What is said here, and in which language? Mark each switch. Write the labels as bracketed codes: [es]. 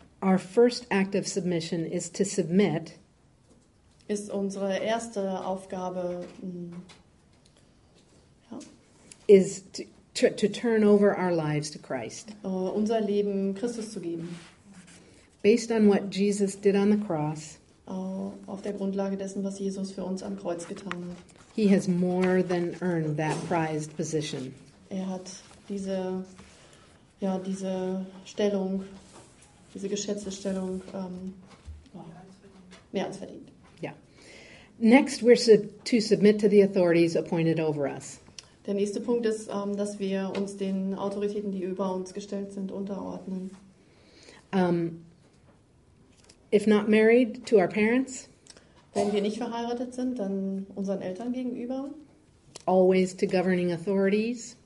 [en] our first act of submission is to submit. [de] Ist unsere erste Aufgabe, [en] is to turn over our lives to Christ. [de] Unser Leben Christus zu geben. [en] Based on what Jesus did on the cross, [de] auf der Grundlage dessen, was Jesus für uns am Kreuz getan hat. [en] He has more than earned that prized position. [de] Er hat diese, ja, diese Stellung, diese geschätzte Stellung, mehr als verdient. [en] Yeah. Next, we're to submit to the authorities appointed over us. [de] Der nächste Punkt ist, dass wir uns den Autoritäten, die über uns gestellt sind, unterordnen. [en] If not married, to our parents. [de] Wenn wir nicht verheiratet sind, dann unseren Eltern gegenüber. [en] Always to governing authorities.